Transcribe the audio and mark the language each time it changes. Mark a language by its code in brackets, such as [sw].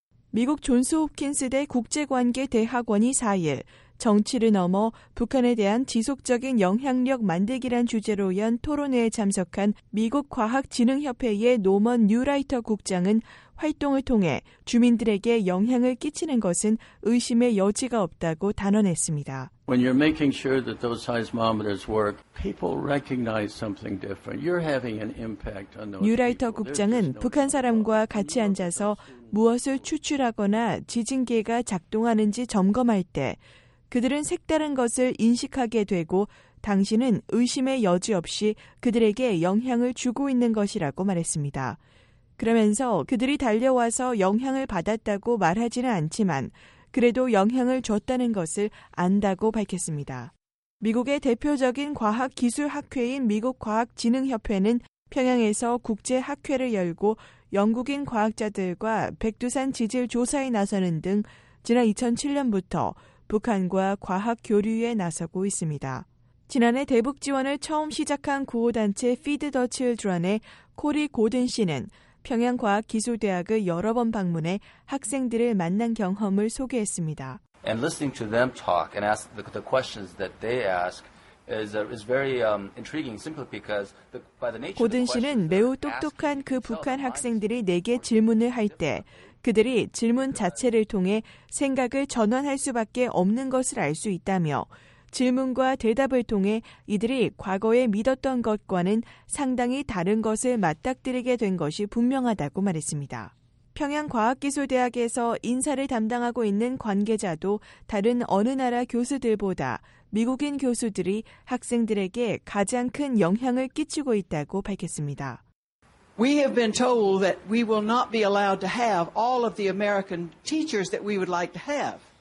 [ko] 미국 존스 홉킨스 대 국제관계 대학원이 4일 정치를 넘어 북한에 대한 지속적인 영향력 만들기란 주제로 연 토론회에 참석한 미국 과학진흥협회의 노먼 뉴라이터 국장은 활동을 통해 주민들에게 영향을 끼치는 것은 의심의 여지가 없다고 단언했습니다. [en] When you're making sure that those seismometers work, people recognize something different. You're having an impact on those. [ko] 뉴라이터 국장은 북한 사람과 같이 앉아서 무엇을 추출하거나 지진계가 작동하는지 점검할 때 그들은 색다른 것을 인식하게 되고 당신은 의심의 여지 없이 그들에게 영향을 주고 있는 것이라고 말했습니다. 그러면서 그들이 달려와서 영향을 받았다고 말하지는 않지만 그래도 영향을 줬다는 것을 안다고 밝혔습니다. 미국의 대표적인 과학기술학회인 미국과학진흥협회는 평양에서 국제학회를 열고 영국인 과학자들과 백두산 지질 조사에 나서는 등 지난 2007년부터 북한과 과학 교류에 나서고 있습니다. 지난해 대북 지원을 처음 시작한 구호단체 Feed the Children의 코리 고든 씨는 평양과학기술대학을 여러 번 방문해 학생들을 만난 경험을 소개했습니다. [en] And listening to them talk and ask the questions that they ask is very intriguing simply because by the nature of the question. [ko] 고든 씨는 매우 똑똑한 그 북한 학생들이 내게 질문을 할 때 그들이 질문 자체를 통해 생각을 전환할 수밖에 없는 것을 알 수 있다며 질문과 대답을 통해 이들이 과거에 믿었던 것과는 상당히 다른 것을 맞닥뜨리게 된 것이 분명하다고 말했습니다. 평양과학기술대학에서 인사를 담당하고 있는 관계자도 다른 어느 나라 교수들보다 미국인 교수들이 학생들에게 가장 큰 영향을 끼치고 있다고 밝혔습니다. [en] We have been told that we will not be allowed to have all of the American teachers that we would like to have.